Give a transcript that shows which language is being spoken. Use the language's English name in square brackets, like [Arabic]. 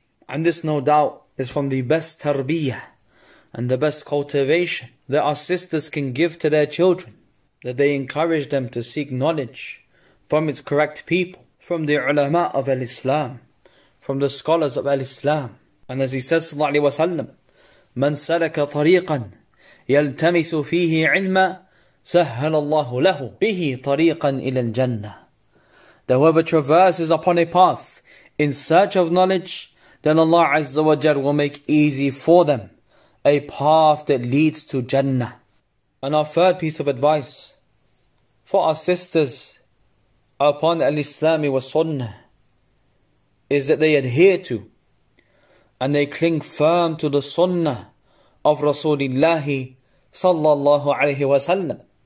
[English] And this no doubt is from the best tarbiyah and the best cultivation that our sisters can give to their children, that they encourage them to seek knowledge from its correct people, from the ulama of al-Islam, from the scholars of al-Islam. And as he says, sallallahu alayhi wa sallam, [Arabic] مَنْ سَلَكَ طَرِيقًا يَلْتَمِسُ فِيهِ عِلْمًا سَهَّلَ اللَّهُ لَهُ بِهِ طَرِيقًا إِلَى الْجَنَّةِ. [English] That whoever traverses upon a path in search of knowledge, then Allah Azza wa Jal will make easy for them a path that leads to Jannah. And our third piece of advice for our sisters upon al-Islami wa sunnah is that they adhere to and they cling firm to the sunnah of Rasulullah sallallahu alayhi wa sallam.